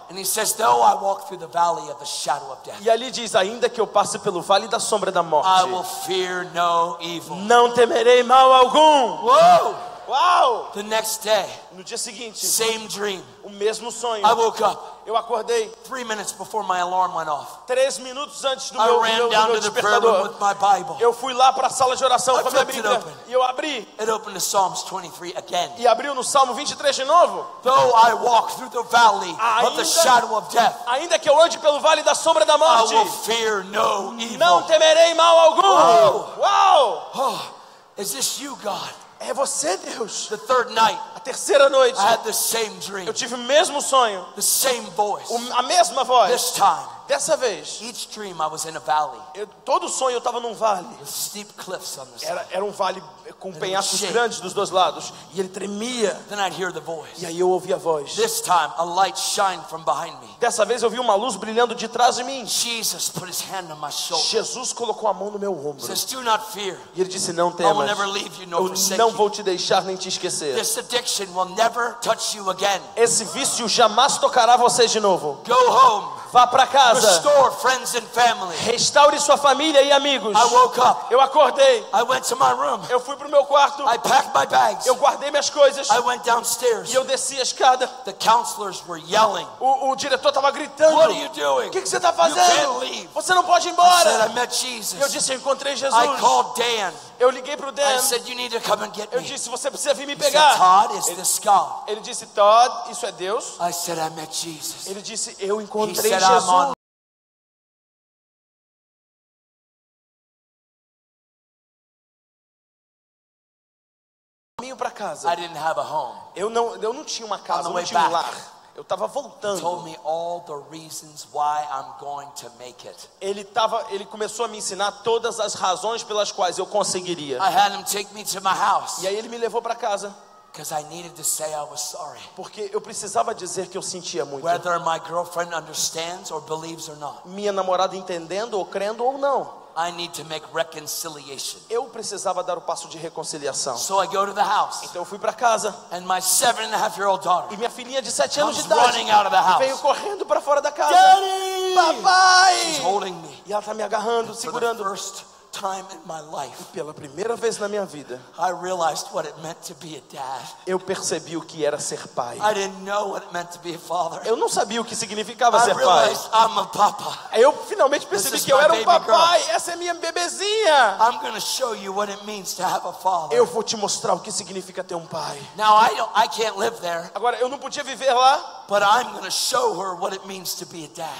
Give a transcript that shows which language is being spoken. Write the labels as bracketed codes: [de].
[en] And he says, though I walk through the valley of the shadow of death. [pt] E ali diz, ainda que eu passe pelo vale da sombra da morte. [en] I will fear no evil. [pt] Não temerei mal algum. Uou! Uau! [en] The next day. [pt] No dia seguinte. [en] Same dream. [pt] O mesmo sonho. [en] I woke up. [pt] Eu acordei. [en] 3 minutes before my alarm went off. [pt] 3 minutes antes do [en] I [pt] meu [en] ran [pt] meu, [en] down [pt] meu [en] to the prayer room with my Bible. [pt] Eu fui lá para a sala de oração [en] I [pt] com a minha Bíblia. E eu abri. [en] It opened to Psalms 23 again. [pt] E abriu no Salmo 23 de novo. [en] Though I walk through the valley of the shadow of death. [pt] Ainda que eu ande pelo vale da sombra da morte. [en] I will fear no evil. [pt] Não temerei mal algum. Uau! Oh, [en] is this you, God? [pt] É você, Deus. [en] The third night, [pt] a terceira noite, [en] I had the same dream. [pt] Eu tive o mesmo sonho. [en] The same voice. [pt] A mesma voz. [en] This time, [pt] dessa vez. [en] Each dream I was in a valley. [pt] Todo sonho eu estava num vale. [en] With steep cliffs on the side. [pt] Era um vale com penhascos grandes dos dois lados. E ele tremia. [en] Then I'd hear the voice. [pt] E aí eu ouvia a voz. [en] This time, a light shined from behind me. [pt] Dessa vez eu vi uma luz brilhando de trás de mim. [en] Jesus, put his hand on my shoulder. [pt] Jesus colocou a mão no meu ombro. [en] Says, do not fear. [pt] E ele disse, não temas. [en] I will never leave you, nor forsake [pt] eu não vou te deixar nem te esquecer. [en] This addiction will never touch you again. [pt] Esse vício jamais tocará você de novo. [en] Go home. [pt] Vá para casa. [en] Restore friends and family. [pt] Restaure sua família e amigos. [en] I woke up. [pt] Eu acordei. [en] I went to my room. [pt] Eu fui para o meu quarto. [en] I packed my bags. [pt] Eu guardei minhas coisas. [en] I went downstairs. [pt] E eu desci a escada. [en] The counselors were yelling. [pt] O diretor estava gritando. [en] What are you doing? [pt] O que você está fazendo? [en] You can't leave. [pt] Você não pode ir embora. [en] I said, I met Jesus. [pt] Eu disse, eu encontrei Jesus. [en] I called Dan. [pt] Eu liguei para o Dan. [en] I said, you need to come and get me. [pt] Eu disse, você precisa vir me pegar. [en] He said, Todd, is this God? [pt] Ele disse, Todd, isso é Deus? [en] I said, I met Jesus. [pt] Ele disse, eu encontrei [en] He said, [pt] Jesus. [en] I'm on. [pt] Para casa. [en] I didn't have a home. [pt] Eu não tinha uma casa, eu não tinha um lar. Eu estava voltando. [en] Told me all the reasons why I'm going to make it. [pt] Ele começou a me ensinar todas as razões pelas quais eu conseguiria. [en] I had him take me to my house. [pt] E aí ele me levou para casa. [en] Because I needed to say I was sorry. [pt] Porque eu precisava dizer que eu sentia muito. [en] Whether my girlfriend understands or believes or not. [pt] Minha namorada entendendo ou crendo ou não. [en] I need to make reconciliation. [pt] Eu precisava dar o passo de reconciliação. [en] So I go to the house. [pt] Então eu fui para casa. [en] And my 7.5-year-old daughter. [pt] E minha filhinha de 7 anos de idade. [en] Running out of the house. [pt] Veio correndo para fora da casa. [en] Daddy! [pt] Papai! [en] She's holding me. [pt] E ela tá me agarrando, segurando. [en] For the first time in my life. [pt] E pela primeira vez na minha vida. [en] I realized what it meant to be a dad. [pt] Eu percebi o que era ser pai. [en] I didn't know what it meant to be a father. [pt] Eu não sabia o que significava ser pai. [en] I realized I'm a papa. [pt] Eu finalmente percebi que eu era um papai. Essa é minha bebezinha. [en] I'm gonna show you what it means to have a father. [pt] Eu vou te mostrar o que significa ter um pai. [en] Now I can't live there. [pt] Agora eu não podia viver lá. [en] But I'm gonna show her what it means to be a dad.